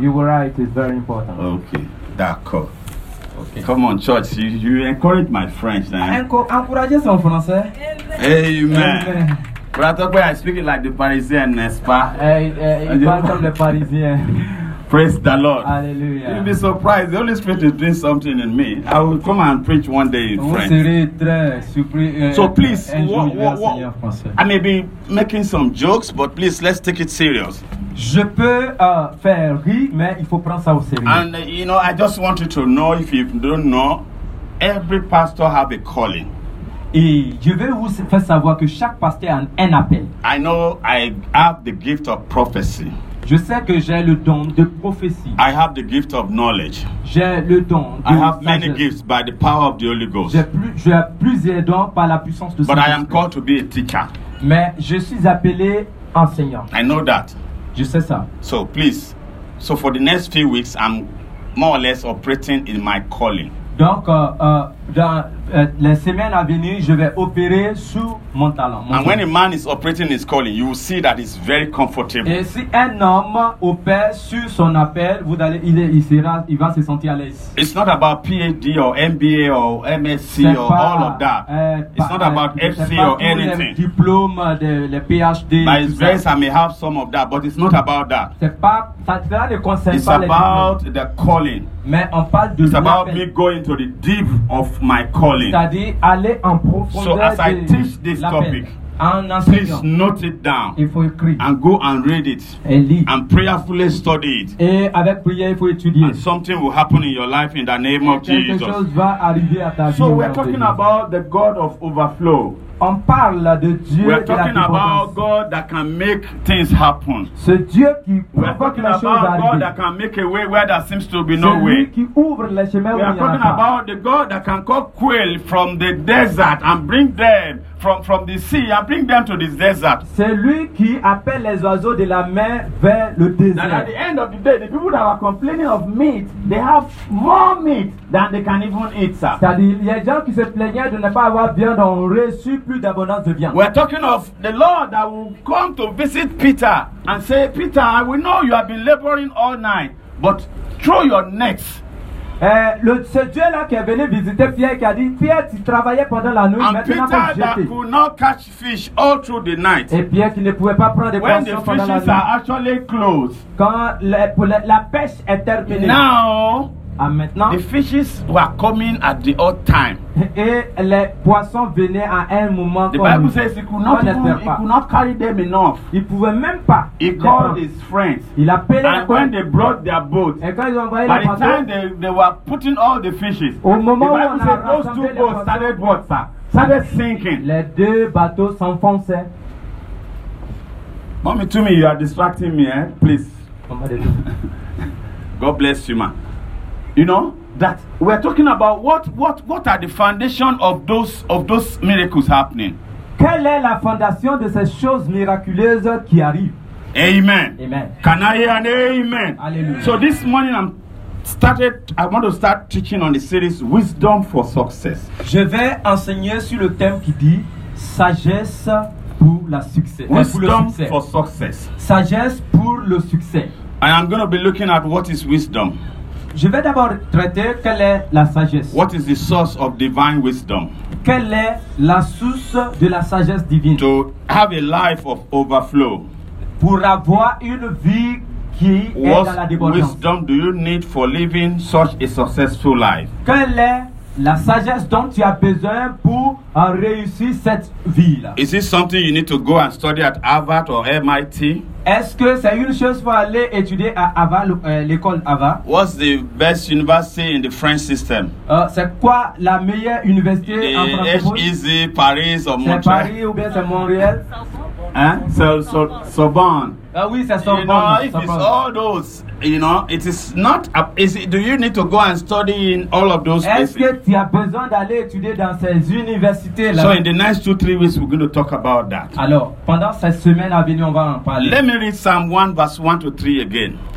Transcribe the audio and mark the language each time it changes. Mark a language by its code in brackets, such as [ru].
[en] You will write, it's very important. Ok, [fr] d'accord. [en] Okay. Come on, church, you encourage my French, then. [fr] Encourage son français. [en] Amen. But I talk when I speak it like the Parisien, [fr] n'est-ce pas? Il parle comme le Parisien. [en] Praise the Lord. Hallelujah. You'll be surprised. The Holy Spirit is doing something in me. I will come and preach one day in French. So please, I may be making some jokes, but please, let's take it serious. [fr] Je peux faire rire, mais il faut prendre ça au sérieux. [en] And you know, I just want you to know, if you don't know, every pastor has a calling. [fr] Et je veux vous faire savoir que chaque pasteur a un appel. [en] I know I have the gift of prophecy. [fr] Je sais que j'ai le don de prophétie. [en] I have the gift of knowledge. [fr] J'ai le don de [en] I have many gifts by the power of the Holy Ghost. [fr] J'ai plusieurs dons par la puissance de Saint-Esprit. [en] But I am called to be a teacher. [fr] Mais je suis appelé enseignant. [en] I know that. [fr] Je sais ça. [en] So please, so for the next few weeks, I'm more or less operating in my calling. [fr] Donc, dans les semaines à venir, je vais opérer sous mon talent. [en] And when a man is operating his calling, you will see that it's very comfortable. [fr] Et si un homme opère sur son appel, vous allez, il va se sentir à l'aise. [en] It's not about PhD or MBA or MSc or all of that. It's not about FC or anything. [fr] C'est pas diplôme de le PhD. [en] By his grace, I may have some of that, but it's not about that. [fr] C'est pas ça ne concerne pas. [en] It's about the calling. [fr] Mais on parle de [en] it's about me going to the deep of my calling. [fr] C'est-à-dire aller en profondeur. [en] So as I teach this topic, please note it down. [fr] Il faut écrire. [en] And go and read it. [fr] Et lis. [en] And prayerfully study it. [fr] Et avec prière, il faut étudier. [en] And something will happen in your life in the name of Jesus. [fr] Quelque chose va arriver à ta vie. [en] So we're talking about the God of overflow. [fr] On parle de Dieu. [en] We're talking about God that can make things happen. [fr] C'est Dieu qui [en] we're talking about God [fr] arriver. [en] That can make a way where there seems to be no way. [fr] Qui ouvre les chemins. [en] We're talking about the God that can call quail from the desert and bring them from the sea and bring them to the desert. [fr] C'est lui qui appelle les oiseaux de la mer vers le désert. [en] And at the end of the day, the people that are complaining of meat, they have more meat than they can even eat, sir. [fr] C'est-à-dire, il y a des gens qui se plaignaient de ne pas avoir viande, ont reçu plus d'abondance de viande. [en] We're talking of the Lord that will come to visit Peter and say, Peter, I will know you have been laboring all night, but throw your nets. [fr] Ce Dieu-là qui est venu visiter Pierre, qui a dit, Pierre, tu travaillais pendant la nuit, [en] and [fr] maintenant [en] Peter that could not catch fish all through the night. [fr] Et Pierre qui ne pouvait pas prendre des poissons pendant la nuit. [en] When the fishes are actually closed. [fr] Quand la pêche est terminée. [en] Now, [fr] maintenant, [en] the fishes were coming at the odd time. [fr] Et les poissons venaient à un moment. [en] The Bible says he could not carry them enough. [fr] Il pouvait même pas. [en] He called his friends. [fr] Il appelait. [en] And when they brought their boat, [fr] et quand ils ont envoyé [en] by the time they were putting all the fishes, [fr] au moment [en] the Bible [fr] où on [en] says [fr] a [en] those two boats started what, sir? Started sinking. [fr] Les deux bateaux s'enfonçaient. [en] Mommy, to me, you are distracting me, eh? Please. God bless you, man. You know that we're talking about what are the foundation of those miracles happening? [fr] Quelle est la fondation de ces choses miraculeuses qui arrivent? [en] Amen. Amen. Can I hear an amen? Hallelujah. So this morning I want to start teaching on the series Wisdom for Success. [fr] Je vais enseigner sur le thème qui dit sagesse pour la succès. [en] Wisdom for success. [fr] Sagesse pour le succès. [en] I am going to be looking at what is wisdom. [fr] Je vais d'abord traiter quelle est la sagesse. [en] What is the source of divine wisdom? [fr] Quelle est la source de la sagesse divine? [en] To have a life of overflow. [fr] Pour avoir une vie qui est dans la débordance. [en] What wisdom do you need for living such a successful life? [fr] Quelle est la sagesse dont tu as besoin pour en réussir cette vie-là. [en] Is it something you need to go and study at Harvard or MIT? [fr] Est-ce que c'est une chose pour aller étudier à Harvard, l'école Harvard? [en] What's the best university in the French system? [fr] C'est quoi la meilleure université en français? HEC, Paris or Montreal? C'est Paris ou bien c'est Montréal? Hein? C'est Sorbonne. Ah oui, c'est Sorbonne. [en] You know, if it's all those, you know, it is not. Do you need to go and study in all of those places? [fr] Est-ce que tu as besoin d'aller étudier dans ces universités-là? [en] So in the next 2-3 weeks, we're going to talk about that. [fr] Alors, pendant cette semaine à venir, on va en parler. [en] Let me read Psalm 1, verse 1 to 3 again.